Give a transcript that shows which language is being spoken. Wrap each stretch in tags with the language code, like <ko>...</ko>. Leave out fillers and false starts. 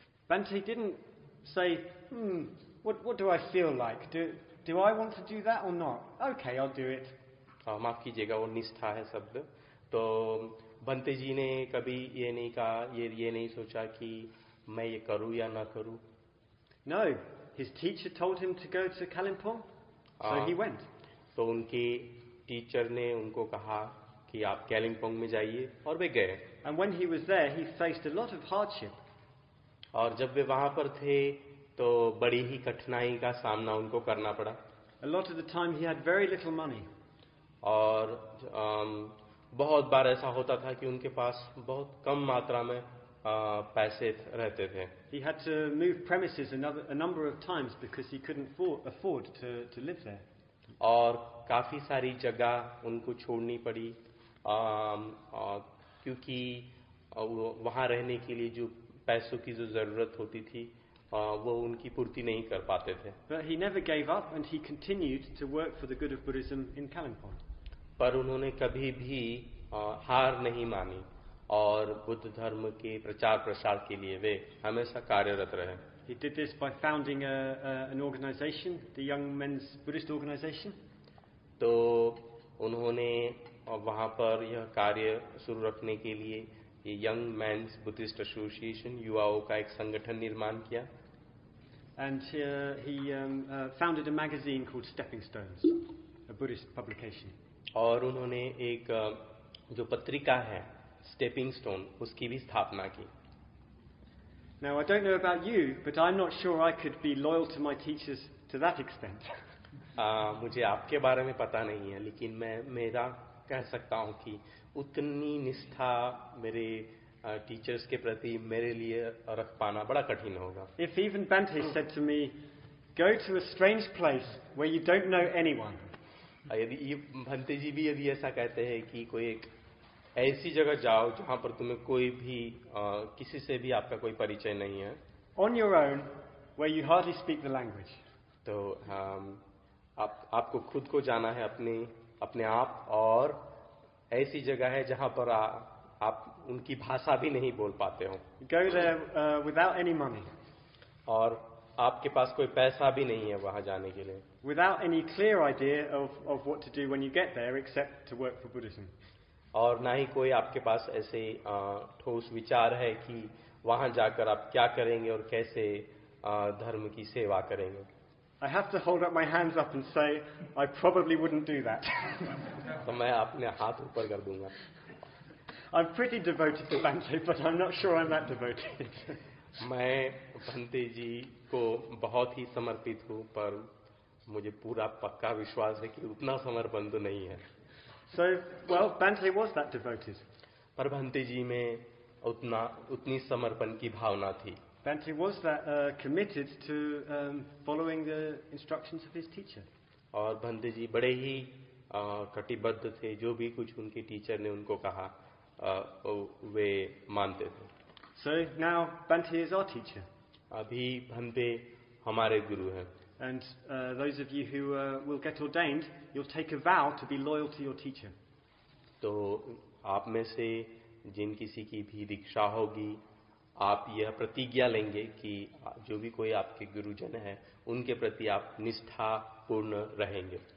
<en>But he didn't say, what do I feel like? Do I want to do that or not? Okay, I'll do it.</en> <hi>माफ कीजिएगा वो निष्ठा है शब्द। तो भंते जी ने कभी ये नहीं कहा, ये नहीं सोचा कि मैं ये करूं या ना करूं।</hi> <en>No, his teacher told him to go to Kalimpong, so he went.</en> <hi>तो उनके टीचर ने उनको कहा कि आप कैलिमपोंग में जाइए और वे गए।</hi> <en>And when he was there, he faced a lot of hardship.</en> <hi>और जब वे वहां पर थे तो बड़ी ही कठिनाई का सामना उनको करना पड़ा।</hi> <en>A lot of the time he had very little money.</en> <hi>और बहुत बार ऐसा होता था कि उनके पास बहुत कम मात्रा में पैसे रहते थे।</hi> <en>He had to move premises a number of times because he couldn't afford to live there.</en> <hi>और काफी सारी जगह उनको छोड़नी पड़ी क्योंकि वहां रहने के लिए जो पैसों की जो जरूरत होती थी वो उनकी पूर्ति नहीं कर पाते थे।</hi> <en>But he never gave up and he continued to work for the good of Buddhism in Kalimpong.</en> <hi>पर उन्होंने कभी भी हार नहीं मानी और बुद्ध धर्म के प्रचार प्रसार के लिए वे हमेशा कार्यरत रहे।</hi> <en>He did this by founding an organization, the Young Men's Buddhist Organization.</en> <hi>तो उन्होंने वहां पर यह कार्य शुरू रखने के लिए ये यंग मेंस बुद्धिस्ट एसोसिएशन युवाओं का एक संगठन निर्माण किया।</hi> <en>And he founded a magazine called Stepping Stones, a Buddhist publication.</en> <hi>और उन्होंने एक जो पत्रिका है स्टेपिंग स्टोन उसकी भी स्थापना की.</hi> <en>Now I don't know about you, but I'm not sure I could be loyal to my teachers to that extent.</en> <hi>मुझे आपके बारे में पता नहीं है, लेकिन मैं मेरा कह सकता हूँ कि उतनी निष्ठा मेरे टीचर्स के प्रति मेरे लिए रख पाना बड़ा कठिन होगा.</hi> <en>If even Bante said to me, "Go to a strange place where you don't know anyone."</en> <hi>यदि भंते जी भी यदि ऐसा कहते हैं कि कोई एक ऐसी जगह जाओ जहां पर तुम्हें कोई भी किसी से भी आपका कोई परिचय नहीं है.</hi> <en>On your own, where you hardly speak the language.</en> <hi>तो आपको खुद को जाना है अपने आप और ऐसी जगह है जहां पर आप उनकी भाषा भी नहीं बोल पाते हो.</hi> <en>Go there without any money.</en> <hi>और आपके पास कोई पैसा भी नहीं है वहां जाने के लिए.</hi> <en>Without any clear idea of what to do when you get there, except to work for Buddhism.</en> <hi>और ना ही कोई आपके पास ऐसे ठोस विचार है कि वहां जाकर आप क्या करेंगे और कैसे धर्म की सेवा करेंगे.</hi> <en>I have to hold up my hands up and say I probably wouldn't do that.</en> <hi>तो मैं अपने हाथ ऊपर कर दूंगा.</hi> <en>I'm pretty devoted to Bante, but I'm not sure I'm that devoted.</en> <hi>मैं भंते जी को बहुत ही समर्पित हूँ, पर मुझे पूरा पक्का विश्वास है कि उतना समर्पण तो नहीं है.</hi> <en>So, well, Bante was that devoted.</en> <hi>पर भंते जी में उतनी समर्पण की भावना थी.</hi> <en>Bante was that committed to following the instructions of his teacher.</en> <hi>और भंते जी बड़े ही कटिबद्ध थे, जो भी कुछ उनके टीचर ने उनको कहा वे मानते थे.</hi> <en>So now Bante is our teacher.</en> <hi>अभी भंते हमारे गुरु हैं.</hi> <en>And those of you who will get ordained, you'll take a vow to be loyal to your teacher.</en> <hi>तो आप में से जिन किसी की भी दीक्षा होगी, आप यह प्रतिज्ञा लेंगे कि जो भी कोई आपके गुरुजन है, उनके प्रति आप निष्ठापूर्ण रहेंगे.</hi>